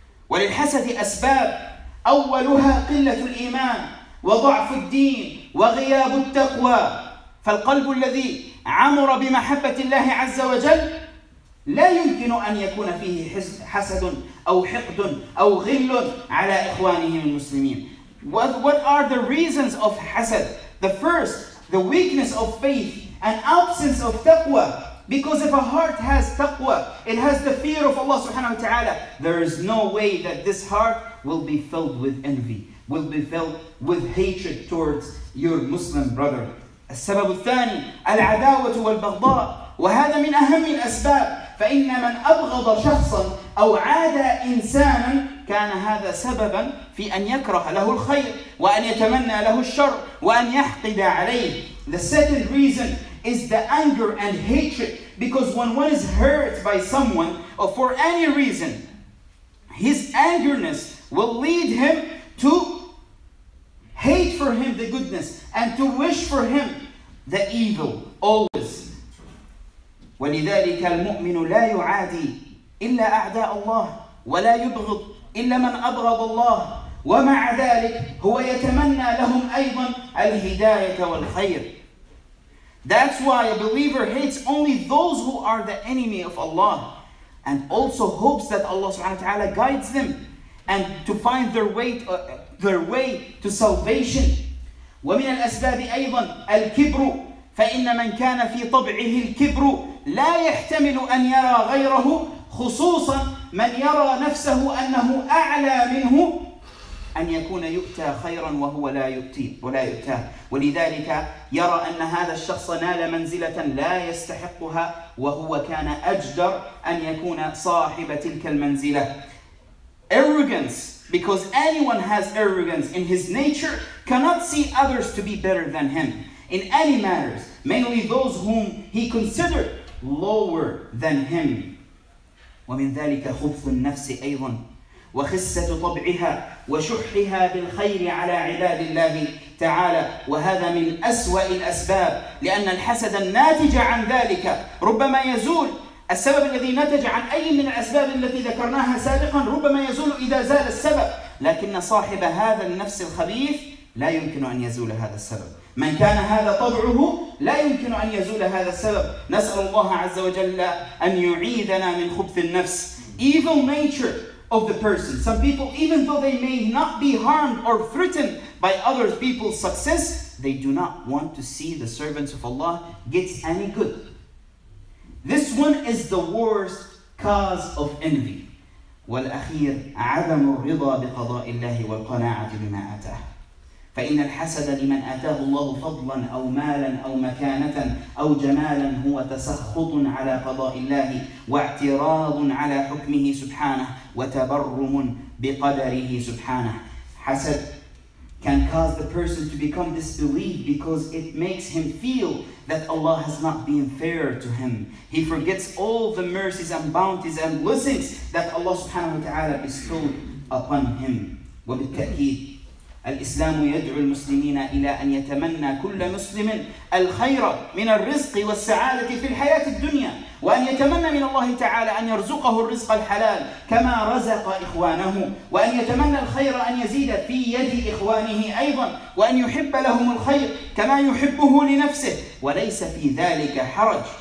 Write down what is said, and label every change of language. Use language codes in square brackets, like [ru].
[ar] وللحسد أسباب أولها قلة الإيمان وضعف الدين وغياب التقوى فالقلب الذي عمر بمحبة الله عز وجل لا يمكن أن يكون فيه حسد أو حقد أو غل على إخوانه المسلمين. [en] What are the reasons of hasad? The first, the weakness of faith and absence of taqwa. Because if a heart has taqwa, it has the fear of Allah subhanahu wa ta'ala, there is no way that this heart will be filled with envy, will be filled with hatred towards your Muslim brother. [ar] السبب الثاني العداوة والبغضاء وهذا من أهم الأسباب فإن من أبغض شخصا أو عادى إنسانا كان هذا سببا في أن يكره له الخير وأن يتمنى له الشر وأن يحقد عليه. [en] The second reason is the anger and hatred, because when one is hurt by someone or for any reason, his angerness will lead him to hate for him the goodness and to wish for him the evil always. [ar] ولذلك المؤمن لا يعادي إلا أعداء الله ولا يبغض إلا من أبغض الله ومع ذلك هو يتمنى لهم أيضا الهداية والخير. [en] That's why a believer hates only those who are the enemy of Allah and also hopes that Allah subhanahu wa ta'ala guides them and to find their way to salvation. [ar] ومن الأسباب أيضا الكبر فإن من كان في طبعه الكبر لا يحتمل أن يرى غيره خصوصا من يرى نفسه أنه أعلى منه أن يكون يؤتى خيرا وهو لا يؤتي ولا يؤتى ولذلك يرى أن هذا الشخص نال منزلة لا يستحقها وهو كان أجدر أن يكون صاحب تلك المنزلة. [en] Arrogance, because anyone has arrogance in his nature, cannot see others to be better than him in any matters, mainly those whom he considered lower than him. [ar] ومن ذلك خبث النفس أيضا وخسة طبعها وشحها بالخير على عباد الله تعالى وهذا من أسوأ الأسباب لأن الحسد الناتج عن ذلك ربما يزول. السبب الذي نتج عن أي من الأسباب التي ذكرناها سابقا ربما يزول إذا زال السبب لكن صاحب هذا النفس الخبيث لا يمكن أن يزول هذا السبب. من كان هذا طبعه لا يمكن أن يزول هذا السبب. نسأل الله عز وجل أن يعيذنا من خبث النفس. [en] Evil nature of the person. Some people, even though they may not be harmed or threatened by other people's success, they do not want to see the servants of Allah get any good. This one is the worst cause of envy. [ar] والأخير عدم الرضا بقضاء الله والقناعة بما أتاه. فإن الحسد لمن آتاه الله فضلا أو مالا أو مكانة أو جمالا هو تسخط على قضاء الله واعتراض على حكمه سبحانه وتبرم بقدره سبحانه. [en] حسد can cause the person to become disbelieved because it makes him feel that Allah has not been fair to him. He forgets all the mercies and bounties and blessings that Allah subhanahu wa ta'ala bestowed upon him. [ar] وبالتأكيد الإسلام يدعو المسلمين إلى أن يتمنى كل مسلم الخير من الرزق والسعادة في الحياة الدنيا وأن يتمنى من الله تعالى أن يرزقه الرزق الحلال كما رزق إخوانه وأن يتمنى الخير أن يزيد في يد إخوانه أيضا وأن يحب لهم الخير كما يحبه لنفسه وليس في ذلك حرج.